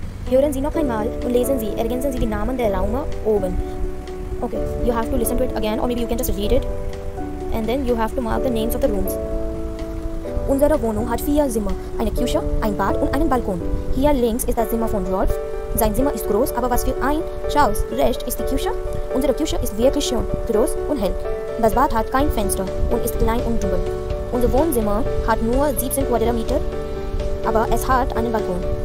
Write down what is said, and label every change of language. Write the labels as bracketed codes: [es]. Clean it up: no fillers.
[de] Hören Sie noch einmal und lesen Sie, ergänzen Sie die Namen der Raume oben. [en] Okay, you have to listen to it again, or maybe you can just read it. And then you have to mark the names of the rooms. [de] unserer Wohnung hat vier Zimmer, eine Küche, ein Bad und einen Balkon. Hier links ist das Zimmer von Rolf. Sein Zimmer ist groß, aber was für ein Charles. Rechts ist die Küche. Unsere Küche ist wirklich schön, groß und hell. Das Bad hat kein Fenster und ist klein und dunkel. Unser Wohnzimmer hat nur 17 Quadratmeter, aber es hat einen Balkon.